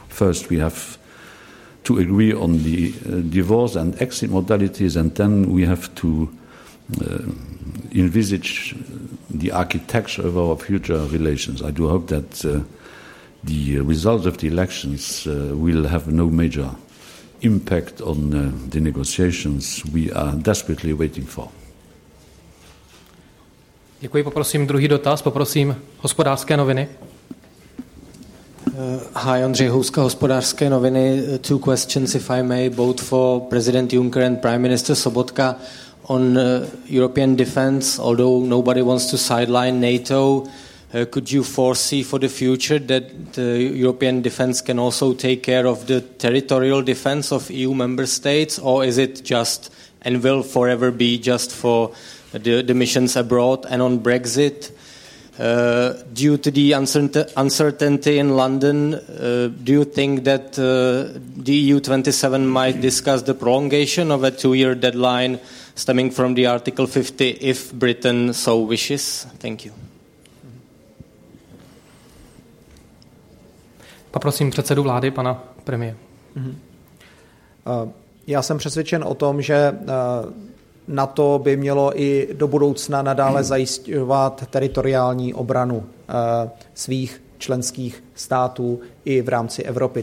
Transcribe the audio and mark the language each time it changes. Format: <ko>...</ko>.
<en>First, we have to agree on the divorce and exit modalities, and then we have to envisage the architecture of our future relations. I do hope that the results of the elections will have no major impact on the negotiations we are desperately waiting for.</en> <cs>Děkuji, poprosím druhý dotaz, poprosím Hospodářské noviny.</cs> <en>Hi, Ondřej Houska, Hospodářské noviny. Two questions, if I may, both for President Juncker and Prime Minister Sobotka. On European defense, although nobody wants to sideline NATO, could you foresee for the future that the European defense can also take care of the territorial defense of EU member states, or is it just and will forever be just for the missions abroad? And on Brexit, due to the uncertainty in London, do you think that the EU27 might discuss the prolongation of a two-year deadline stemming from the Article 50 if Britain so wishes? Thank you.</en> <cs>Poprosím předsedu vlády, pana premiér. Já jsem přesvědčen o tom, že NATO by mělo i do budoucna nadále zajišťovat teritoriální obranu svých členských států i v rámci Evropy.</cs>